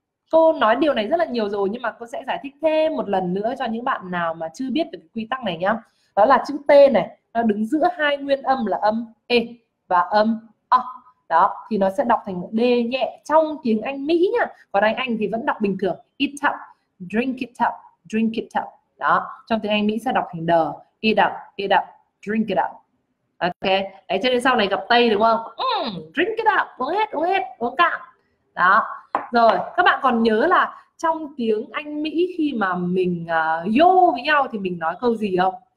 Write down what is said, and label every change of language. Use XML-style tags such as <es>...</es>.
<vi>Cô nói điều này rất là nhiều rồi nhưng mà cô sẽ giải thích thêm một lần nữa cho những bạn nào mà chưa biết được quy tắc này nhá. Đó là chữ T này, nó đứng giữa hai nguyên âm là âm E và âm O. Đó, thì nó sẽ đọc thành D nhẹ trong tiếng Anh Mỹ nhá. Còn tiếng Anh thì vẫn đọc bình thường.</vi> <en>It up, drink it up, drink it up.</en> <vi>Đó, trong tiếng Anh Mỹ sẽ đọc thành D.</vi> <en>It up, drink it up.</en> <vi>Ok, đấy cho nên sau này gặp Tây đúng không?</vi> <en>Drink it up,</en> <vi>uống hết, uống cạn. Đó. Rồi, các bạn còn nhớ là trong tiếng Anh Mỹ khi mà mình yo với nhau thì mình nói câu gì không?</vi>